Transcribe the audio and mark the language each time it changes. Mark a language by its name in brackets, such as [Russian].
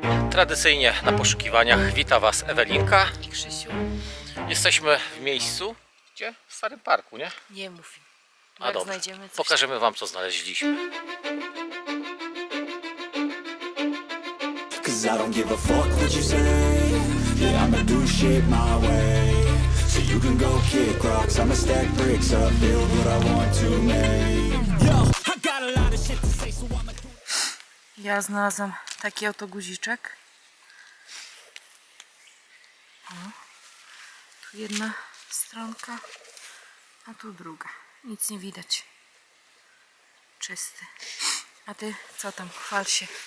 [Polish] Tradycyjnie na poszukiwaniach wita Was Ewelinka i Krzysiu. Jesteśmy w miejscu, gdzie? W Starym Parku, nie? Nie mówi. A dobrze, znajdziemy coś, pokażemy Wam, co znaleźliśmy. [English] Cause I don't give a fuck what you say. Yeah, I'ma do shit my way. So you can go kick rocks, I'ma stack bricks up, build what I want to make. Yo, I got a lot of shit to say, so I'ma do. [Polish] Ja znalazłam taki oto guziczek. O, tu jedna stronka, a tu druga. Nic nie widać. Czysty. A ty co tam, chwal się.